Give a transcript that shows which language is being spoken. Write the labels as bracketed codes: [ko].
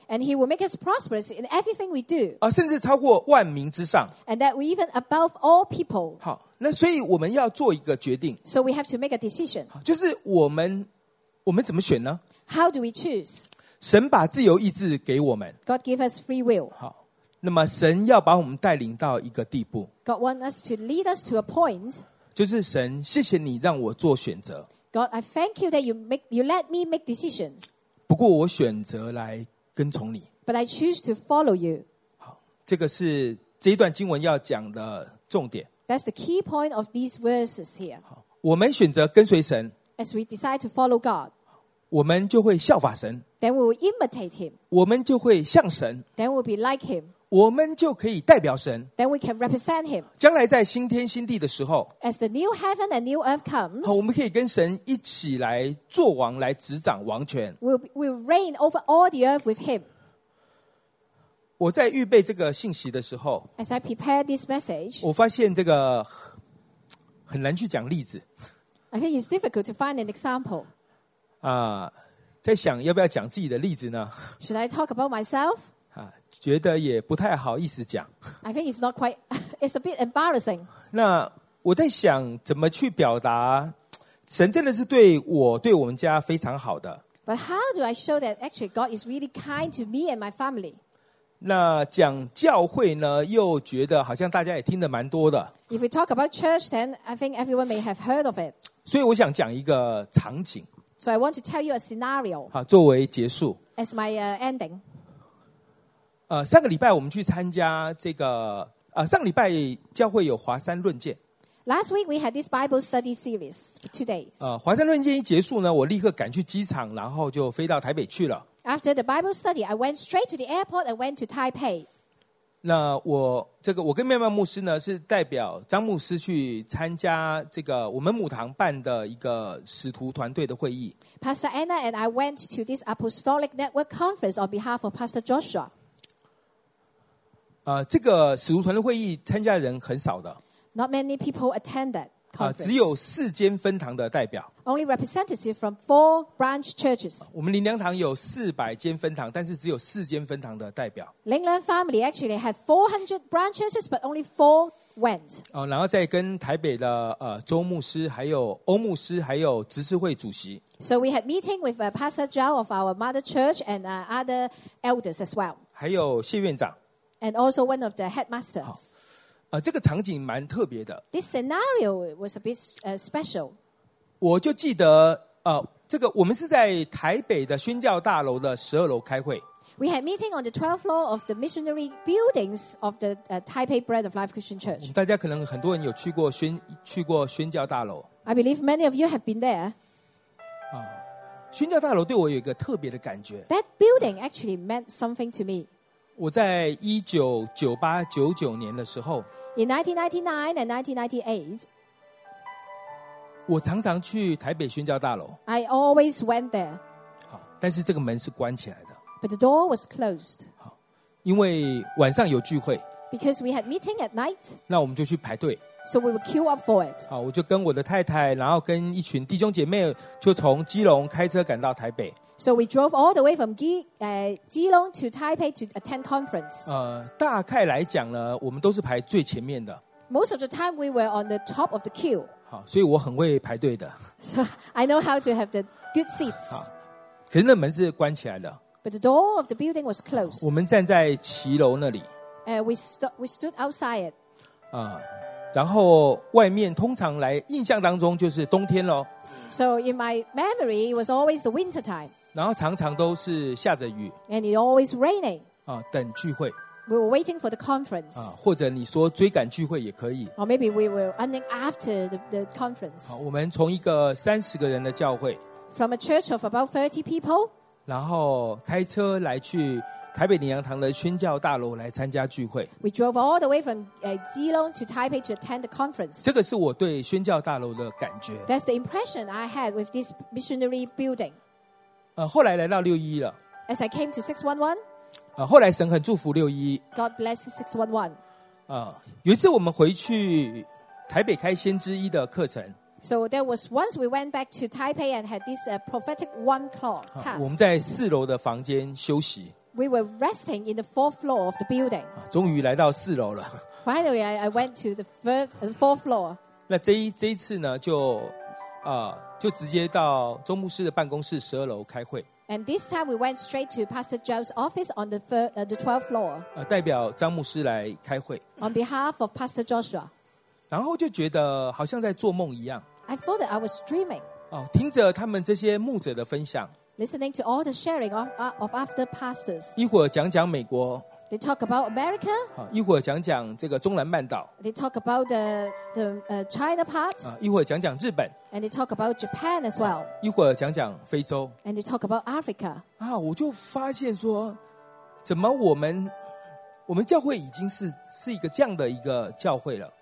[en] And he will make us prosperous in everything we do. [zh] 甚至超过万民之上。 [en] And that we even above all people. [zh] 好，那所以我们要做一个决定。 [en] So we have to make a decision. [zh] 就是我们怎么选呢 [en] ？How do we choose? [zh] 神把自由意志给我们。 [en] God give us free will. [zh] 好，那么神要把我们带领到一个地步。 [en] God want us to lead us to a point. [zh] 就是神，谢谢你让我做选择。 [en] God, I thank you that you let me make decisions. [zh] 不过我选择来跟从你。 [en] But I choose to follow you. [zh] 好，这个是这一段经文要讲的重点。 [en] That's the key point of these verses here. [zh] 好，我们选择跟随神。 [en] As we decide to follow God. [zh] 我们就会效法神。 [en] Then we will imitate him. [zh] 我们就会像神。 [en] Then we'll be like him. [zh] 我们就可以代表神 [en] Then we can represent him. [zh] 将来在新天新地的时候 [en] As the new heaven and new earth comes [zh] 好，我们可以跟神一起来做王来执掌王权 [en] We'll reign over all the earth with him. [zh] 我在预备这个信息的时候 [en] As I prepare this message [zh] 我发现这个很难去讲例子 [en] I think it's difficult to find an example [zh] 在想要不要讲自己的例子呢 [en] Should I talk about myself? [zh] 觉得也不太好意思讲。 [en] I think it's not quite, it's a bit embarrassing. [zh] 那我在想怎么去表达神真的是对我对我们家非常好的。 [en] But how do I show that actually God is really kind to me and my family? [zh] 那讲教会呢又觉得好像大家也听得蛮多的。 [en] If we talk about church, then I think everyone may have heard of it. [zh] 所以我想讲一个场景。 [en] So I want to tell you a scenario. [zh] 好，作为结束。 [en] As my ending. [zh] 上个礼拜我们去参加这个上个礼拜教会有华山论剑。 [en] Last week we had this Bible study series, 2 days. [zh] 华山论剑一结束呢我立刻赶去机场然后就飞到台北去了。 [en] After the Bible study, I went straight to the airport and went to Taipei. [zh] 那我跟妙妙牧师呢是代表张牧师去参加这个我们母堂办的一个使徒团队的会议。 [en] Pastor Anna and I went to this Apostolic Network Conference on behalf of Pastor Joshua. [zh] 这个使徒团的会议参加的人很少的。 [en] Not many people attend that. [zh] 只有四间分堂的代表。 [en] Only representative from four branch churches. [zh] 我们灵粮堂有400间分堂，但是只有四间分堂的代表。 [en] 灵粮 family actually had 400 branch churches, but only four went. [zh] 然后再跟台北的周牧师、还有欧牧师、还有执事会主席。 [en] So we had meeting with Pastor Zhao of our mother church and other elders as well. [zh] 还有谢院长。 [en] And also one of the headmasters. [zh] 这个场景蛮特别的。 [en] This scenario was a bit special. [zh] 我就记得这个我们是在台北的宣教大楼的12楼开会。 [en] We had meeting on the 12th floor of the missionary buildings of the Taipei Bread of Life Christian Church. [zh] 大家可能很多人有去过宣教大楼。 [en] I believe many of you have been there. [zh] 宣教大楼对我有一个特别的感觉。 [en] That building actually meant something to me. [zh] 我在1998-99年的时候 [en] ，In 1999 and 1998, [zh] 我常常去台北宣教大楼。 [en] I always went there. [zh] 好，但是这个门是关起来的。 [en] But the door was closed. [zh] 好，因为晚上有聚会。 [en] Because we had meeting at night. [zh] 那我们就去排队。 [en] So we would queue up for it. [zh] 好，我就跟我的太太，然后跟一群弟兄姐妹，就从基隆开车赶到台北。 [en] So we drove all the way from Geelong to Taipei to attend conference. [zh] 大概来讲呢，我们都是排最前面的。 [en] Most of the time, we were on the top of the queue. [zh] 好，所以我很会排队的。 [en] So I know how to have the good seats. [zh] 可是那门是关起来的。 [en] But the door of the building was closed. [zh] 我们站在骑楼那里。 [en] We stood outside. [zh] 然后外面通常来印象当中就是冬天咯。 [en] So in my memory, it was always the winter time. [zh] 然后常常都是下着雨。 [en] And it always raining. [zh] 等聚会。 [en] We were waiting for the conference. [zh] 或者你说追赶聚会也可以。 [en] Or maybe we were running after the conference. [zh] 我们从一个30个人的教会。 [en] From a church of about 30 people. [zh] 然后开车来去台北灵粮堂的宣教大楼来参加聚会。 [en] We drove all the way from Geelong to Taipei to attend the conference. [zh] 这个是我对宣教大楼的感觉。 [en] That's the impression I had with this missionary building. [zh] 后来来到611了。 [en] As I came to 611. [zh] 后来神很祝福611。 [en] God bless 611. [zh] 有一次我们回去台北开先知一的课程。 [en] So there was once we went back to Taipei and had this prophetic one class. [zh] 我们在四楼的房间休息。 [en] We were resting in the fourth floor of the building. [zh] 终于来到四楼了。 [en] Finally, I went to the fourth floor. [zh] 那这一次呢，就直接到周牧师的办公室12楼开会。 [en] And this time we went straight to Pastor Joe's office on the 12th floor. [zh] 代表张牧师来开会。 [en] On behalf of Pastor Joshua. [zh] 然后就觉得好像在做梦一样。 [en] I thought that I was dreaming. [zh] 听着他们这些牧者的分享。 [en] Listening to all the sharing of after pastors. [zh] 一会儿讲讲美国。 [en] They talk about America. [zh] 一会儿讲讲这个中南半岛。 [en] They talk about the China part. [zh] 一会儿讲讲日本。 [en] And they talk about Japan as well. [zh] 一会儿讲讲非洲。 [en] And they talk about Africa. [zh] 我就发现说，怎么我们教会已经是一个这样的一个教会了。